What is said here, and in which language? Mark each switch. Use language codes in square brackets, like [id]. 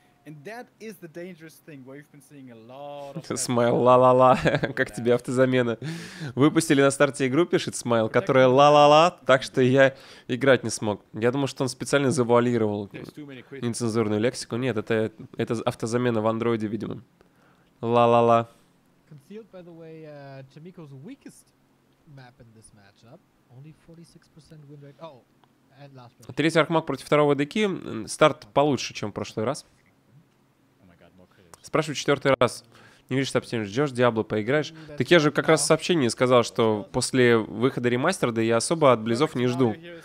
[en] And that is the dangerous thing, where you've been seeing a lot of... [ru] Смайл, ла-ла-ла, как тебе автозамена? Выпустили на старте игру, пишет Смайл, которая ла-ла-ла, так что я играть не смог. Я думал, что он специально завуалировал нецензурную лексику. Нет, это автозамена в андроиде, видимо. Ла-ла-ла. [en] Concealed, by the way, Chimiko's weakest map in this matchup. Only 46% win rate. Oh! [ru] Третий архмаг против второго деки. Старт получше, чем в прошлый раз. Спрашиваю четвертый раз. Не видишь сообщение, ждешь Диабло, поиграешь? Так я же как раз в сообщении сказал, что после выхода ремастера, да я особо от близов не жду.